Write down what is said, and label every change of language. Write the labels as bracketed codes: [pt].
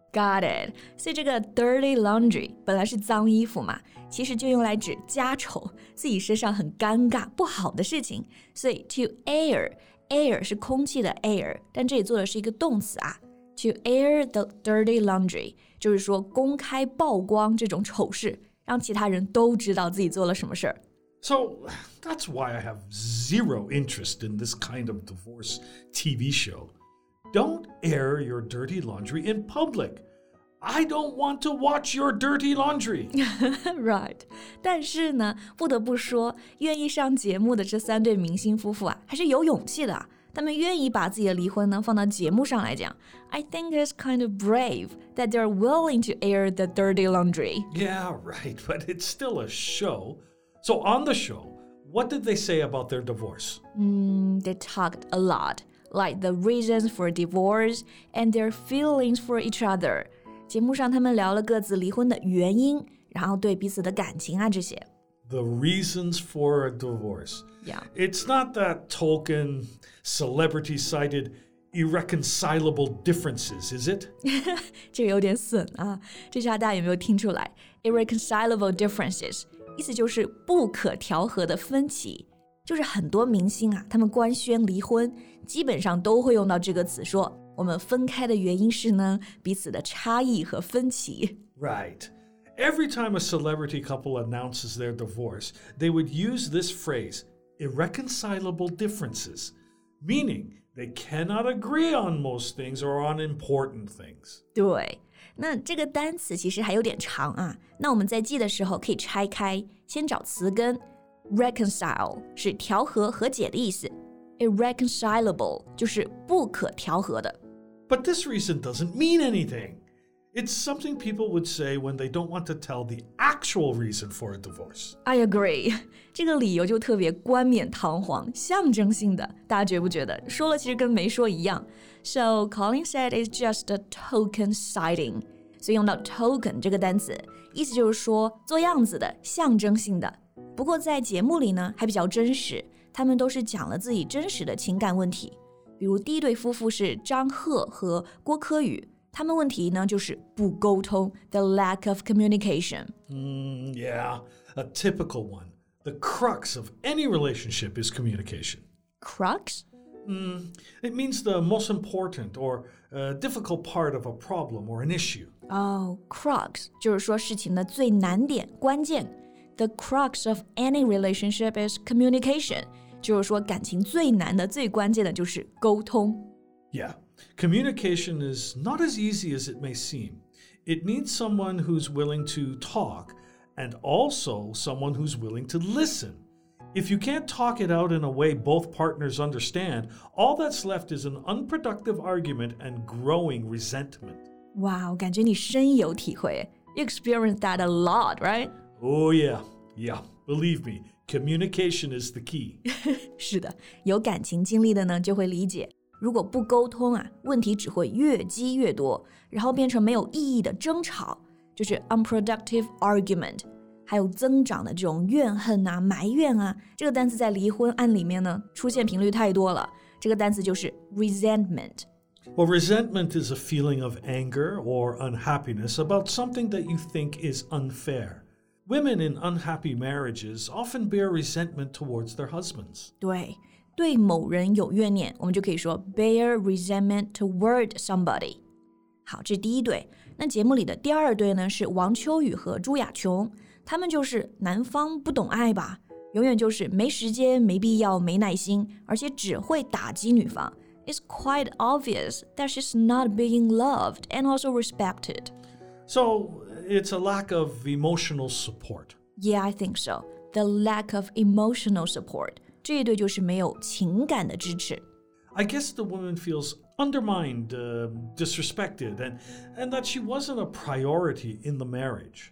[en] Got it. [zh] 所以这个 [en] dirty laundry [zh] 本来是脏衣服嘛，其实就用来指家丑，自己身上很尴尬，不好的事情。所以 to air, air 是空气的 air, 但这里做的是一个动词啊。 [en] To air the dirty laundry, [zh] 就是说公开曝光这种丑事。让其他人都知道自己做了什么事儿。 [en] So, that's why I have zero interest in this kind of divorce TV show. Don't air your dirty laundry in public. I don't want to watch your dirty laundry. Right. [zh] 但是呢，不得不说，愿意上节目的这三对明星夫妇啊，还是有勇气的。他们愿意把自己的离婚呢放到节目上来讲。 [en] I think it's kind of brave that they're willing to air the dirty laundry. Yeah, right, but it's still a show. So on the show, what did they say about their divorce? They talked a lot, like the reasons for divorce and their feelings for each other. [zh] 节目上他们聊了各自离婚的原因，然后对彼此的感情啊这些。 [en] The reasons for a divorce. Yeah. It's not that Tolkien celebrity cited irreconcilable differences, is it? [zh] 这有点损啊，这下大家有没有听出来 [en] irreconcilable differences [zh] 意思就是不可调和的分歧，就是很多明星啊，他们官宣离婚基本上都会用到这个词，说我们分开的原因是呢，彼此的差异和分歧。 [en] Right. Every time a celebrity couple announces their divorce, they would use this phrase, irreconcilable differences, meaning they cannot agree on most things or on important things. [zh] 对，那这个单词其实还有点长啊，那我们在记的时候可以拆开，先找词根。 Reconcile 是调和和解的意思， Irreconcilable 就是不可调和的。 [en] But this reason doesn't mean anything. It's something people would say when they don't want to tell the actual reason for a divorce. I agree. [zh] 这个理由就特别冠冕堂皇，象征性的，大家觉不觉得？说了其实跟没说一样。 [en] So Colin said it's just a token sighting. [zh] 所以用到 token 这个单词，意思就是说做样子的，象征性的。不过在节目里呢，还比较真实，他们都是讲了自己真实的情感问题。比如第一对夫妇是张赫和郭柯宇，他们问题呢就是不沟通 ， [en] the lack of communication. Yeah, a typical one. The crux of any relationship is communication. Crux? It means the most important or difficult part of a problem or an issue. [zh] Oh, crux 就是说事情的最难点、关键。 [en] The crux of any relationship is communication. [zh] 就是说感情最难的最关键的就是沟通。 [en] Yeah, communication is not as easy as it may seem. It needs someone who's willing to talk and also someone who's willing to listen. If you can't talk it out in a way both partners understand, all that's left is an unproductive argument and growing resentment. [zh] Wow, 感觉你深有体会。 [en] You experience that a lot, right? Oh yeah, yeah, believe me. Communication is the key. [zh] 是的，有感情经历的呢就会理解，如果不沟通啊，问题只会越积越多，然后变成没有意义的争吵，就是 [en] unproductive argument， [zh] 还有增长的这种怨恨啊、埋怨啊，这个单词在离婚案里面呢出现频率太多了，这个单词就是 resentment。 [en] Well, resentment is a feeling of anger or unhappiness about something that you think is unfair. Women in unhappy marriages often bear resentment towards their husbands. [zh] 对，对某人有怨念，我们就可以说 [en] bear resentment toward somebody. [zh] 好，这是第一对。那节目里的第二对呢，是王秋雨和朱亚琼。他们就是男方不懂爱吧，永远就是没时间、没必要、没耐心，而且只会打击女方。 [en] It's quite obvious that she's not being loved and also respected. So, it's a lack of emotional support. Yeah, I think so. The lack of emotional support. [zh] 这一对就是没有情感的支持。 [en] I guess the woman feels undermined, disrespected, and that she wasn't a priority in the marriage.